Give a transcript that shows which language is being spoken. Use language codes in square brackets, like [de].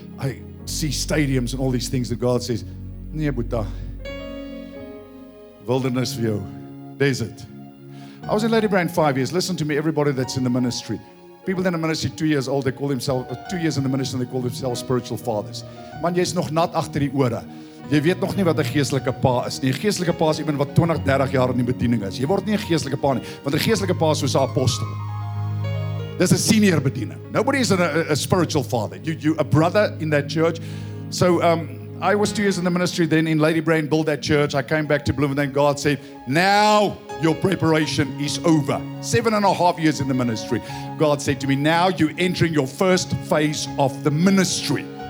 [en] I see stadiums and all these things that God says, Nya Buddha, wilderness view, desert. I was in Lady Brand 5 years. Listen to me, everybody that's in the ministry. People in the ministry 2 years old, they call themselves, 2 years in the ministry, they call themselves spiritual fathers. [af] Man, jy is nog nat agter die ore. Jy weet nog nie wat 'n geestelike pa is nie. 'N geestelike pa is iemand wat 20, 30 jaar in die bediening is. Jy word nie 'n geestelike pa nie, want 'n geestelike pa is soos 'n apostel. Dis 'n senior bediening. [en] Nobody is a spiritual father. You a brother in that church. So I was 2 years in the ministry, then in Lady Brand, built that church. I came back to Bloemfontein. God said, now your preparation is over. 7.5 years in the ministry. God said to me, now you're entering your first phase of the ministry.